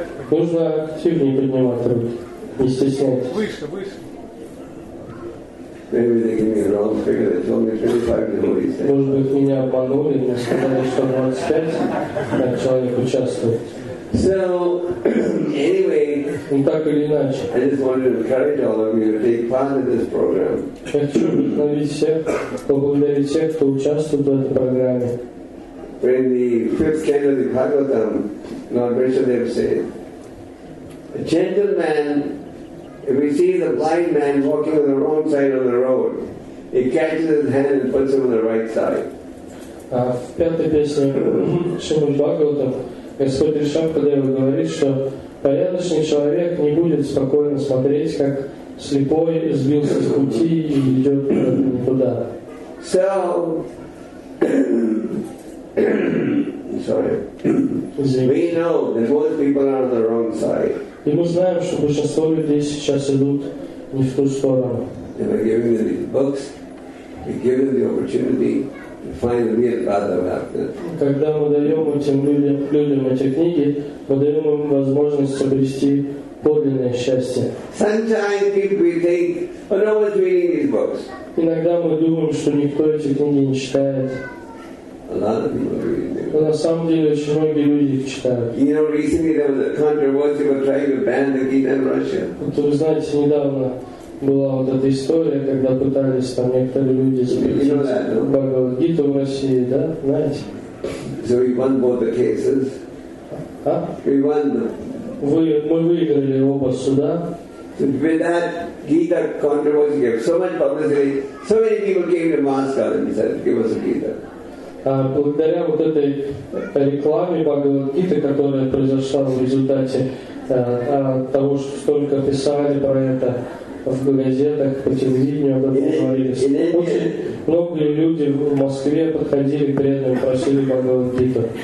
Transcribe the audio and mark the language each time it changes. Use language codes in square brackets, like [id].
[ru] Нужно активнее поднимать руки, не стесняйтесь. [en] Maybe they gave me a wrong figure. They told me 25 devotees. [ru] Может быть, меня обманули, мне сказали, что 25 человек участвует. [en] So, anyway, I just wanted to encourage all of you to take part in this program. [ru] Хочу вдохновить всех, поблагодарить всех, кто участвует в этой программе. [en] When the fifth canto of the Bhagavatam, Lord Vishnudeva said, a gentleman, if he sees a blind man walking on the wrong side of the road, he catches his hand and puts him on the right side. [ru] В пятой песне Шримад Бхагаватам Господь Ришабхадева говорит, что порядочный человек не будет спокойно смотреть, как слепой сбился с пути и идет туда. [en] So, sorry. We know that most people are on the wrong side. [ru] И мы знаем, что большинство людей сейчас идут не в ту сторону. [en] And we're giving them these books, we're giving them the opportunity to find the real path of happiness. [ru] Когда мы даем этим людям эти книги, мы даем им возможность обрести подлинное счастье. [en] Sometimes people think, oh, no one's reading these books. [ru] Иногда мы думаем, что никто эти книги не читает. [en] A lot of people read. [ru] Но на самом деле очень многие люди их читают. [en] You know, recently there was a controversy about trying to ban the Gita in Russia. [ru] Вот вы знаете, недавно была вот эта история, когда пытались там некоторые люди запретить Гиту в России, да? Знаете? [en] So we won both the cases. [ru] А? [en] We won them. [ru] Мы выиграли оба суда. [en] So with that Gita controversy, so much publicity, so many people came to Moscow and said, give us a Gita. [ru] благодаря вот этой рекламе Бхагавад-гиты, которая произошла в результате того, что столько писали про это в газетах, по телевидению об этом говорили. Очень многие люди в Москве подходили к этому, просили Бхагавад-гиту.